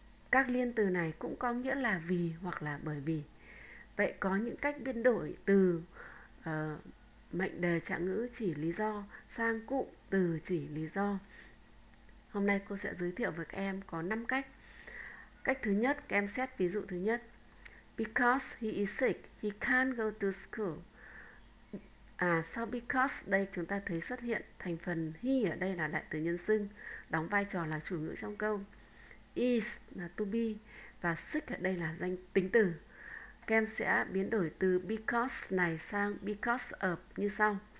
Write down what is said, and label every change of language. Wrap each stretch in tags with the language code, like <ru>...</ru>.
<vi>Các liên từ này cũng có nghĩa là vì hoặc là bởi vì. Vậy có những cách biến đổi từ mệnh đề trạng ngữ chỉ lý do sang cụm từ chỉ lý do. Hôm nay cô sẽ giới thiệu với các em có 5 cách. Cách thứ nhất, các em xét ví dụ thứ nhất.</vi> <en>Because he is sick, he can't go to school.</en> <vi>À, sau because đây chúng ta thấy xuất hiện thành phần he ở đây là đại từ nhân xưng, đóng vai trò là chủ ngữ trong câu. Is là to be và sick ở đây là danh tính từ. Các em sẽ biến đổi từ because này sang because of như sau.</vi>